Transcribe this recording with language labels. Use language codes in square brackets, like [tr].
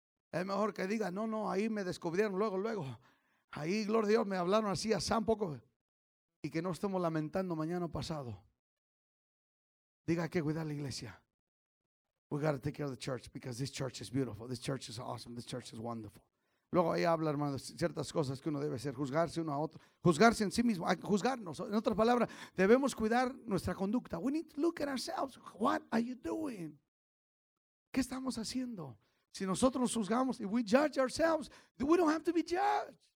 [es] Es mejor que diga, no, no, ahí me descubrieron luego. Ahí, gloria a Dios, me hablaron así, asá un poco. Y que no estemos lamentando mañana o pasado. Diga que cuidar la iglesia. [en] We got to take care of the church because this church is beautiful. This church is awesome. This church is wonderful. [es] Luego ahí habla, hermano, ciertas cosas que uno debe hacer. Juzgarse uno a otro. Juzgarse en sí mismo. Juzgarnos. En otras palabras, debemos cuidar nuestra conducta. [en] We need to look at ourselves. What are you doing? [es] ¿Qué estamos haciendo? Si nosotros nos juzgamos, [en] if we judge ourselves, we don't have to be judged.